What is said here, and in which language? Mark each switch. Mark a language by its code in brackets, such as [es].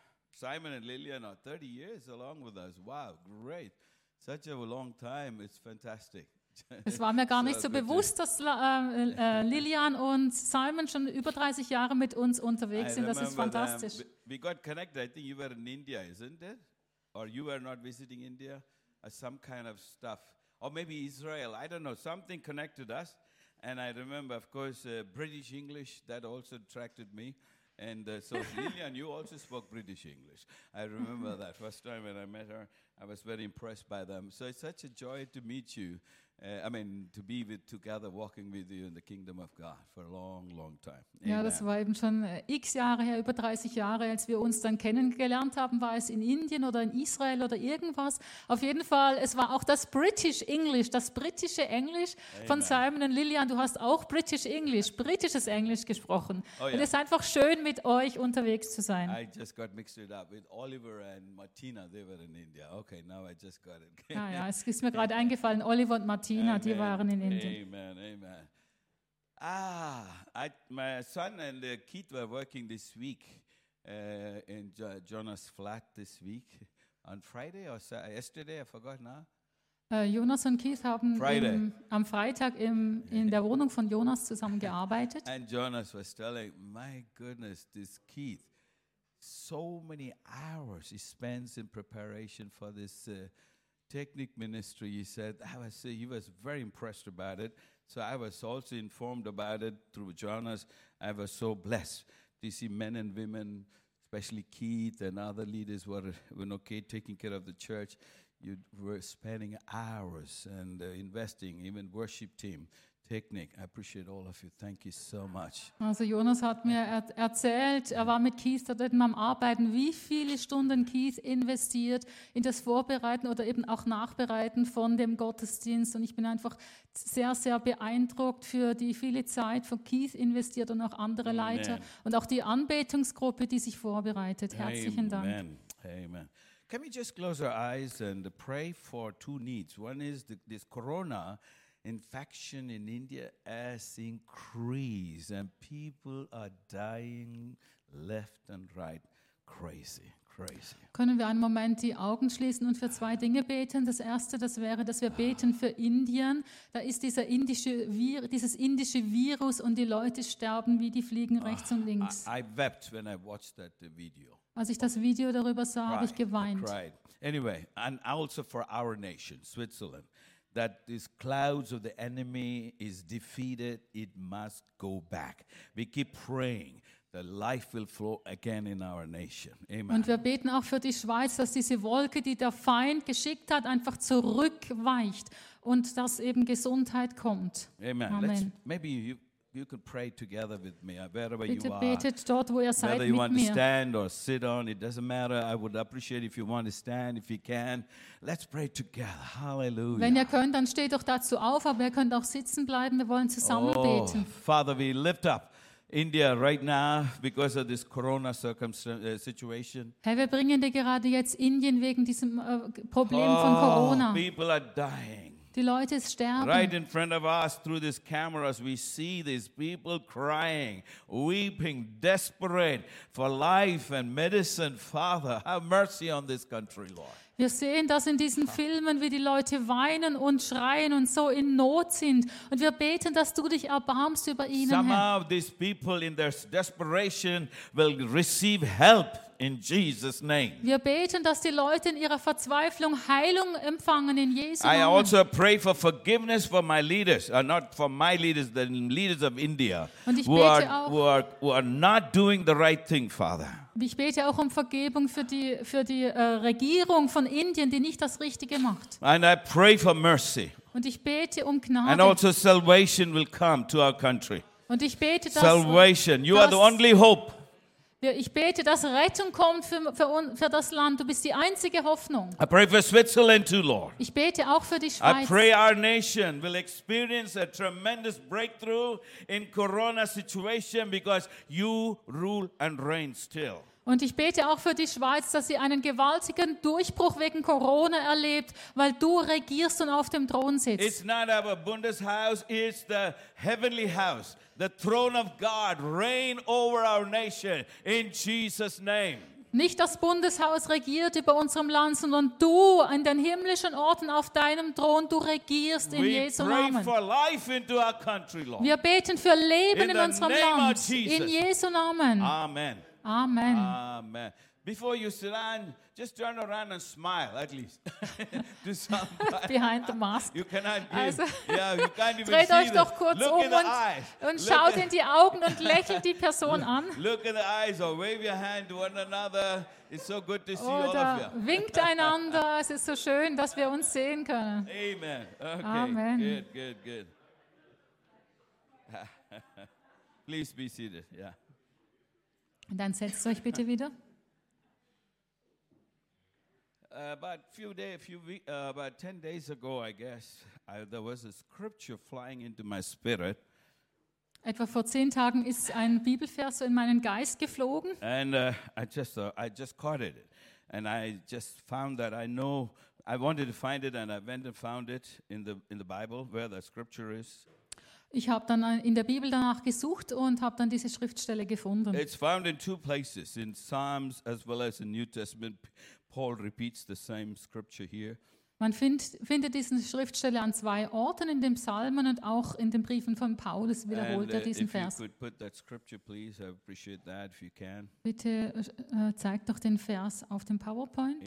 [en] Simon and Lillian are 30 years along with us. Wow, great. Such a long time. It's fantastic. [de] Es war mir gar nicht so bewusst, dass Lillian und Simon schon über 30 Jahre mit uns unterwegs sind. Das ist fantastisch. [en] We got connected. I think you were in India, isn't it? Or you were not visiting India? Some kind of stuff. Or maybe Israel. I don't know. Something connected us. And I remember, of course, British English, that also attracted me. And so Lillian, you also spoke British English. I remember that first time when I met her, I was very impressed by them. So it's such a joy to meet you. To be with together, walking with you in the kingdom of God for a long, long time. Amen. [de] Ja, das war eben schon x Jahre her, über 30 Jahre, als wir uns dann kennengelernt haben, war es in Indien oder in Israel oder irgendwas. Auf jeden Fall, es war auch das British English, das britische Englisch von Simon und Lillian. Du hast auch British English, britisches Englisch gesprochen. [en] Oh, yeah. [de] Es ist einfach schön, mit euch unterwegs zu sein. [en] I just got mixed it up with Oliver and Martina, they were in India. Okay, now I just got it. [de] Ja, es ist mir gerade eingefallen, Oliver und Martina. Tina, die waren in Indien. Amen, amen. [en] Ah, my son and Keith were working this week in Jonas' flat this week. On Friday or yesterday, I forgot now. [de] Jonas und Keith haben am Freitag in der Wohnung von Jonas zusammengearbeitet. [en] And Jonas was telling, my goodness, this Keith, so many hours he spends in preparation for this Technic ministry, he said. He was very impressed about it. So I was also informed about it through Jonas. I was so blessed to see men and women, especially Keith and other leaders, were taking care of the church. You were spending hours and investing, even worship team. Technik, I appreciate all of you. Thank you so much. [de] Also Jonas hat mir erzählt, er war mit Keith da drüben am Arbeiten, wie viele Stunden Keith investiert in das Vorbereiten oder eben auch Nachbereiten von dem Gottesdienst. Und ich bin einfach sehr, sehr beeindruckt für die viele Zeit von Keith investiert und auch andere Amen. Leiter und auch die Anbetungsgruppe, die sich vorbereitet. Herzlichen Amen. Dank. Amen. [en] Can we just close our eyes and pray for two needs? One is this Corona infection in India has increased and people are dying left and right. Crazy, crazy. [de] Können wir einen Moment die Augen schließen und für zwei Dinge beten? Das erste, das wäre, dass wir beten für Indien. Da ist dieses indische Virus und die Leute sterben wie die Fliegen rechts und links. [en] I wept when I watched that video. [de] Als ich das Video darüber sah, habe ich geweint. [en] Cried. Anyway, and also for our nation, Switzerland. That these clouds of the enemy is defeated, it must go back. We keep praying that life will flow again in our nation. Amen. [de] Und wir beten auch für die Schweiz, dass diese Wolke, die der Feind geschickt hat, einfach zurückweicht und dass eben Gesundheit kommt. Amen. Amen. [en] Maybe you can pray together with me, wherever [de] Bitte [en] you are. [de] Betet dort, wo ihr seid, [en] whether you [de] mit [en] want [de] mir. [en] To stand or sit on, it doesn't matter. I would appreciate if you want to stand, if you can. Let's pray together. Hallelujah. [de] Wenn ihr könnt, dann steht doch dazu auf, aber ihr könnt auch sitzen bleiben. Wir wollen zusammen beten. [en] Father, we lift up India right now because of this corona situation. [de] Herr, wir bringen dir gerade jetzt Indien wegen diesem Problem von Corona. [en] People are dying. [de] Die Leute sterben. [en] Right in front of us through these cameras, we see these people crying, weeping, desperate for life and medicine. Father, have mercy on this country, Lord. [de] Wir sehen das in diesen Filmen, wie die Leute weinen und schreien und so in Not sind. Und wir beten, dass du dich erbarmst über ihnen. [en] Somehow these people in their desperation will receive help. In Jesus' name. [de] Wir beten, dass die Leute in ihrer Verzweiflung Heilung empfangen in Jesu Namen. [en] I also pray for forgiveness for my leaders, not for my leaders, the leaders of India, who are not doing the right thing, Father. [de] Ich bete auch um Vergebung für die Regierung von Indien, die nicht das Richtige macht. [en] And I pray for mercy. [de] Und ich bete um Gnade. [en] And also salvation will come to our country. [de] Und ich bete, dass [en] salvation. You are the only hope. [de] Ich bete, dass Rettung kommt für das Land. Du bist die einzige Hoffnung. [en] I pray for Switzerland too, Lord. [de] Ich bete auch für die Schweiz. [en] I pray our nation will experience a tremendous breakthrough in Corona situation because you rule and reign still. [de] Und ich bete auch für die Schweiz, dass sie einen gewaltigen Durchbruch wegen Corona erlebt, weil du regierst und auf dem Thron sitzt. [en] It's not our Bundeshaus, it's the heavenly house. The throne of God reign over our nation in Jesus' name. [de] Nicht das Bundeshaus regiert über unserem Land, sondern du in den himmlischen Orten auf deinem Thron, du regierst in [en] We [de] Jesu Namen. [en] Pray for life into our country, Lord. [de] Wir beten für Leben in unserem Land, in Jesu Namen. Amen. Amen. Amen. [en] Before you sit down, just turn around and smile at least. Behind the mask. You cannot be. Also, yeah, you can't even [de] dreht [en] see [de] euch doch kurz [en] look [de] um und schaut in die Augen und lächelt die Person an. [en] Look in the eyes or wave your hand to one another. It's so good to see all of you. [de] Winkt einander. Es ist so schön, dass wir uns sehen können. [en] Amen. Okay. Amen. Good, good, good. Please be seated. Yeah. [de] Und dann setzt euch bitte wieder. [en] About 10 days ago, I guess, there was a scripture flying into my spirit. [de] Etwa vor 10 Tagen ist ein Bibelvers so in meinen Geist geflogen. [en] And I just caught it. And I just found that I know, I wanted to find it and I went and found it in the Bible, where the scripture is. [de] Ich habe dann in der Bibel danach gesucht und habe dann diese Schriftstelle gefunden. [en] It's found in two places, in Psalms as well as in New Testament. Paul repeats the same scripture here. [de] Man findet diese Schriftstelle an zwei Orten, in den Psalmen und auch in den Briefen von Paulus wiederholt [en] and, [de] er diesen [en] if [de] Vers. [en] You could put that scripture, please, I appreciate that if you can. [de] Bitte zeigt doch den Vers auf dem PowerPoint,